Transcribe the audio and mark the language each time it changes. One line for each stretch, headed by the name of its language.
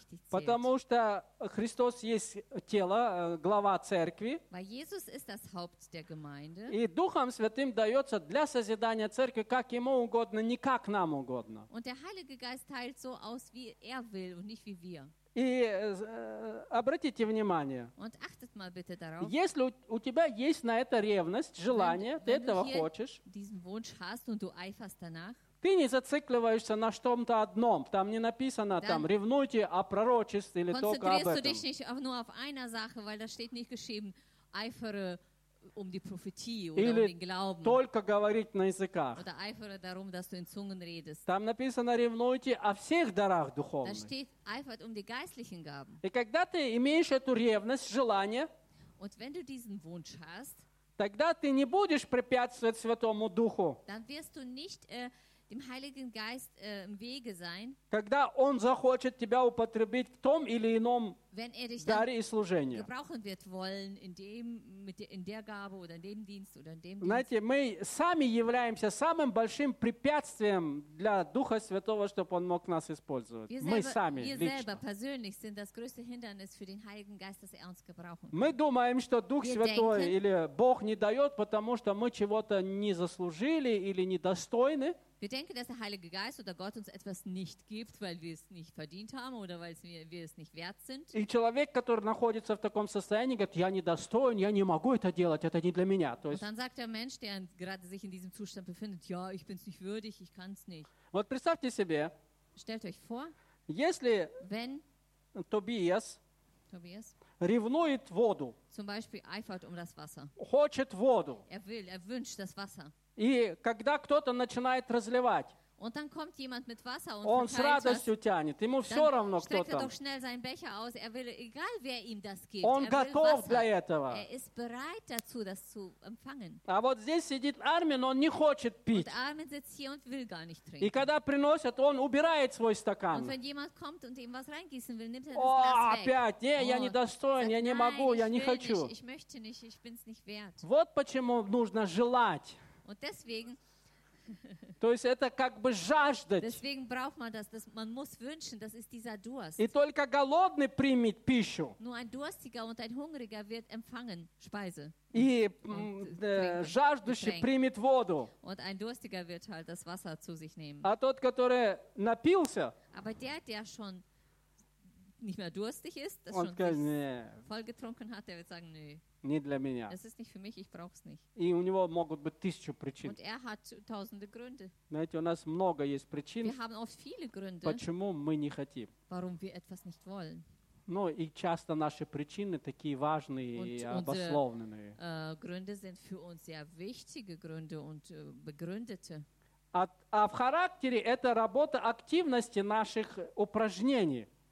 Russian: Потому что Христос есть тело, глава церкви.
German: Weil Jesus ist das Haupt der Gemeinde.
Russian: И Духом Святым дается для созидания церкви, как ему угодно, не как нам угодно.
German: Und der Heilige Geist teilt so aus, wie er will und nicht wie wir.
Russian: И обратите внимание,
German: und achtet mal bitte darauf,
Russian: если у тебя есть на это ревность, желание,
German: wenn,
Russian: ты
German: wenn
Russian: этого хочешь,
German: diesen Wunsch hast und du eiferst danach,
Russian: ты не зацикливаешься на чем-то одном, там не написано, там ревнуйте о пророчестве или только об этом.
German: Konzentrierst du dich nicht nur auf einer Sache, weil da steht nicht geschrieben, eifere um die Prophetie oder um den Glauben.
Russian: Только говорить на языках.
German: Oder eifere darum, dass du in Zungen redest.
Russian: Там написано, ревнуйте о всех дарах духовных.
German: Da steht, eifert um die geistlichen Gaben.
Russian: И когда ты имеешь эту ревность, желание,
German: und wenn du diesen Wunsch hast,
Russian: тогда ты не будешь препятствовать Святому Духу.
German: Dann wirst du nicht dem Heiligen Geist im Wege sein,
Russian: когда он захочет тебя употребить в том или ином
German: wenn er dich
Russian: даре и служении.
German: Gebrauchen wird wollen in dem, mit der, in der Gabe oder in dem Dienst oder in dem Dienst.
Russian: Знаете, мы сами являемся самым большим препятствием для Духа Святого, чтобы он мог нас использовать.
German: Selber,
Russian: мы сами,
German: wir
Russian: лично.
German: Wir selber persönlich sind das größte Hindernis für den Heiligen Geist, dass er uns gebrauchen kann.
Russian: Мы думаем, что Дух
German: wir
Russian: Святой
German: denken,
Russian: или Бог не дает, потому что мы чего-то не заслужили или недостойны.
German: Wir denken, dass der Heilige Geist oder Gott uns etwas nicht gibt, weil wir es nicht verdient haben oder weil wir es nicht wert sind.
Russian: И человек, который находится в таком состоянии, говорит, я недостоин, я не могу это делать, это не для меня. То есть...
German: Und dann sagt der Mensch, der gerade sich in diesem Zustand befindet, ja, ich bin es nicht würdig, ich kann es nicht.
Russian: Вот представьте себе,
German: stellt euch vor,
Russian: если
German: wenn
Russian: Tobias ревнует воду,
German: zum Beispiel eifert um das Wasser,
Russian: хочет воду,
German: er will, er wünscht das Wasser,
Russian: и когда кто-то начинает разливать,
German: Und dann kommt jemand mit Wasser und
Russian: он с радостью
German: was,
Russian: тянет. Ему все равно, кто там.
German: Streckt er doch schnell seinen Becher aus. Er will, egal wer ihm das gibt.
Russian: Он
German: er
Russian: готов Для этого.
German: Er ist bereit dazu, das zu empfangen.
Russian: А вот здесь сидит Армин, он не хочет пить.
German: Und Armin sitzt hier und will gar nicht trinken.
Russian: И когда приносят, он убирает свой стакан.
German: Und wenn jemand kommt und ihm was reingießen will, nimmt er oh, das Glas
Russian: опять.
German: Weg.
Russian: Не, oh, я не достоин, я не могу, я не хочу.
German: Nicht, ich möchte nicht, ich bin's nicht wert.
Russian: Вот почему нужно желать.
German: Und deswegen
Russian: то есть это как бы жаждать.
German: Man das, das, man muss wünschen, das ist dieser Durst.
Russian: И только голодный примет пищу.
German: Nur ein Durstiger und ein Hungriger wird empfangen Speise.
Russian: И жаждущий примет воду.
German: Und ein Durstiger wird halt das Wasser zu sich nehmen.
Russian: А тот, который напился,
German: aber der, der schon nicht mehr durstig ist, das schon kann, nee. Voll getrunken hat, der wird sagen, nö.
Russian: Не для меня.
German: Es ist nicht für mich, ich brauch's nicht.
Russian: И у него могут быть тысячу причин.
German: Und er hat tausende Gründe.
Russian: Знаете, у нас много есть причин,
German: wir haben oft viele Gründe,
Russian: почему мы не хотим.
German: Warum wir etwas nicht wollen.
Russian: Ну, и часто наши причины такие важные
German: und
Russian: и обоснованные.
German: Gründe sind für uns sehr wichtige Gründe und begründete.
Russian: А в характере это работа активности наших упражнений.